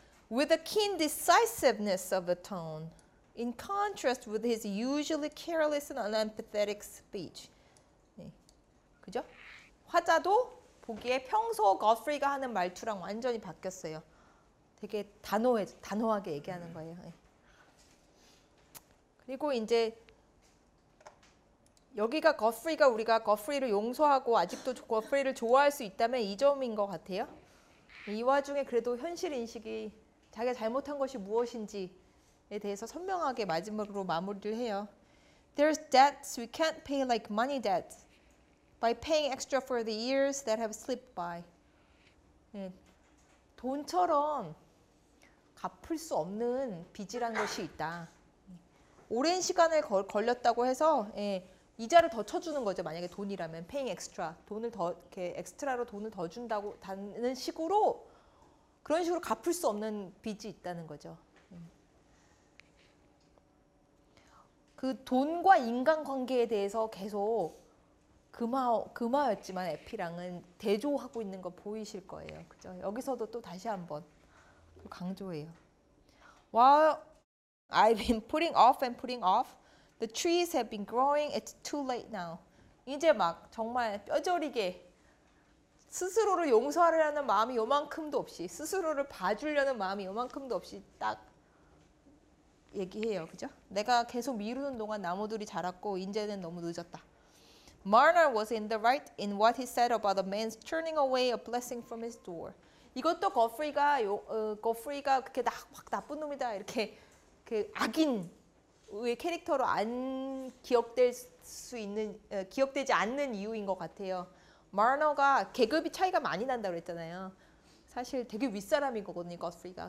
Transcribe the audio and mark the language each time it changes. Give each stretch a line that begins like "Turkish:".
English: With a keen decisiveness of the tone, in contrast with his usually careless and unempathetic speech.
Korean: 그죠? 화자도 보기에 평소 거스프리가 하는 말투랑 완전히 바뀌었어요. 되게 단호하게 얘기하는 거예요. 예. 그리고 이제 여기가 거프리가 우리가 거프리를 용서하고 아직도 거프리를 좋아할 수 있다면 이 점인 것 같아요. 이 와중에 그래도 현실 인식이 자기가 잘못한 것이 무엇인지에 대해서 선명하게 마지막으로 마무리를 해요.
English: There's debts we can't pay like money debts by paying extra for the years that have slipped by.
Korean: 네. 돈처럼 갚을 수 없는 빚이란 것이 있다. 오랜 시간을 걸렸다고 해서 예. 이자를 더 쳐주는 거죠. 만약에 돈이라면
English: paying extra
Korean: 돈을 더 이렇게 엑스트라로 돈을 더 준다고 다는 식으로 그런 식으로 갚을 수 없는 빚이 있다는 거죠. 그 돈과 인간관계에 대해서 계속 금화였지만 에피랑은 대조하고 있는 거 보이실 거예요. 그죠? 여기서도 또 다시 한번 강조해요.
English: While I've been putting off and putting off. The trees have been growing. It's too late now.
Korean: 이제 막 정말 뼈저리게 스스로를 용서하려는 마음이 요만큼도 없이 스스로를 봐주려는 마음이 요만큼도 없이 딱 얘기해요. 그죠? 내가 계속 미루는 동안 나무들이 자랐고 이제는 너무 늦었다.
English: Marner was in the right in what he said about a man's turning away a blessing from his door.
Korean: 이것도 거프리가 그게 나, 막 나쁜 놈이다. 이렇게 그 악인 의 캐릭터로 안 기억될 수 있는 기억되지 않는 이유인 것 같아요. 마너가 계급이 차이가 많이 난다고 그랬잖아요. 사실 되게 윗사람인 거거든요, 거스프리가.